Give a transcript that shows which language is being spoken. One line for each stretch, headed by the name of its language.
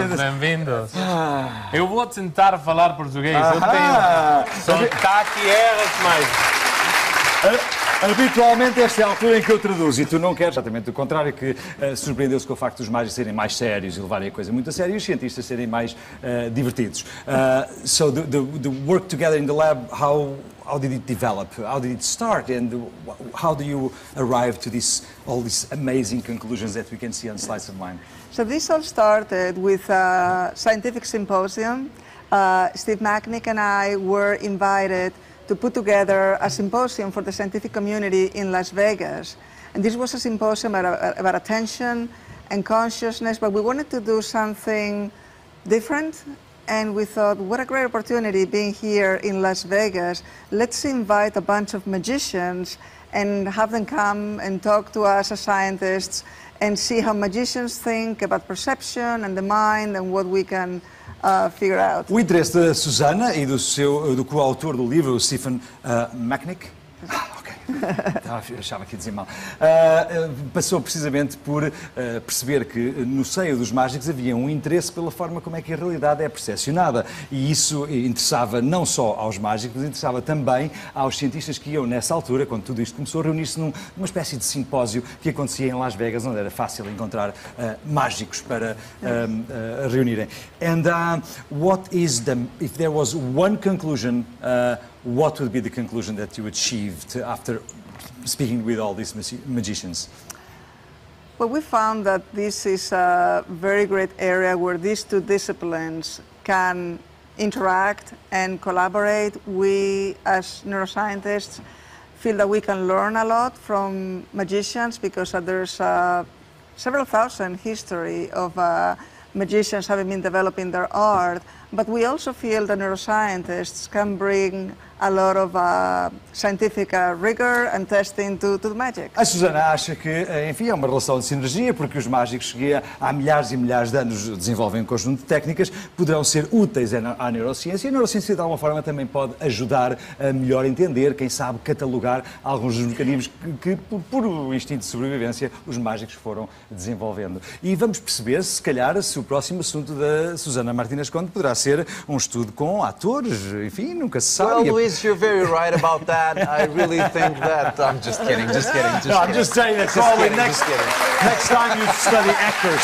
Portuguese: Bem-vindos. Eu vou tentar falar português. Eu tenho sotaque e erros, mas... Habitualmente esta é a altura em que eu traduzo e tu não queres. Exatamente, o contrário, que surpreendeu-se com o facto dos mágicos serem mais sérios e levarem a coisa muito a sério e os cientistas serem mais divertidos.
English: So, the work together in the lab, how did it develop? How did it start? And how do you arrive to this, all these amazing conclusions that we can see on slides of mine? So this all started with a scientific symposium. Steve Macnick and I were invited to put together a symposium for the scientific community in Las Vegas. And this was a symposium about attention and consciousness, but we wanted to do something different. And we thought, what a great opportunity being here in Las Vegas. Let's invite a bunch of magicians and have them come and talk to us as scientists and see how magicians think about perception and the mind and what we can figure out.
Portuguese: O interesse da Susana e do coautor do livro, Stephen Macnick. Achava que ia dizer mal. Passou precisamente por perceber que no seio dos mágicos havia um interesse pela forma como é que a realidade é percepcionada. E isso interessava não só aos mágicos, mas interessava também aos cientistas que iam nessa altura, quando tudo isto começou, a reunir-se numa espécie de simpósio que acontecia em Las Vegas, onde era fácil encontrar mágicos para reunirem.
English: And what is the, if there was one conclusion, what would be the conclusion that you achieved after speaking with all these magicians? Well, we found that this is a very great area where these two disciplines can interact and collaborate. We, as neuroscientists, feel that we can learn a lot from magicians because there's several thousand history of magicians having been developing their art. But we also feel that neuroscientists can bring a lot of scientific rigor and testing to the magic.
Portuguese: A Susana acha que, enfim, é uma relação de sinergia, porque os mágicos que há milhares e milhares de anos desenvolvem um conjunto de técnicas, poderão ser úteis à neurociência, e a neurociência de alguma forma também pode ajudar a melhor entender, quem sabe catalogar alguns dos mecanismos que por instinto de sobrevivência, os mágicos foram desenvolvendo. E vamos perceber, se calhar, se o próximo assunto da Susana Martínez Conde poderá ser um estudo com atores, enfim, nunca se sabe.
English: Well, Luis, you're very right about that. I really think that. I'm just kidding, just kidding, just kidding. No, I'm just saying that, Colby, next time you study actors.